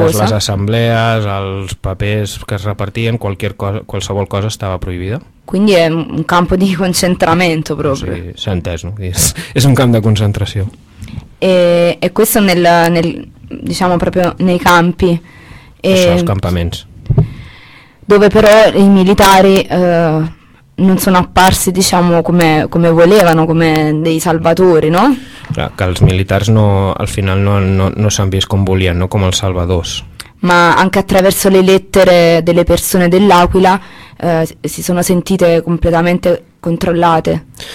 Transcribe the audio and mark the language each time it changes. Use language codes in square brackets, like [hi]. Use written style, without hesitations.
[ca] Prohibides les assemblees, els papers que es repartien, qualsevol cosa estava prohibida. [it] Quindi è un campo di concentramento proprio. [ca] Sì, s'ha entès, no? És un camp de concentració. [it] E questo nel diciamo proprio nei campi. [ca] Això, els campaments. [it] Dove però i militari non sono apparsi, diciamo, come volevano, come dei salvatori, no? [ca] Clar, que els militars no, al final no s'han vist com volien, no? Com els salvadors. [it] Ma anche attraverso le lettere delle persone dell'Aquila si sono sentite completamente controllate.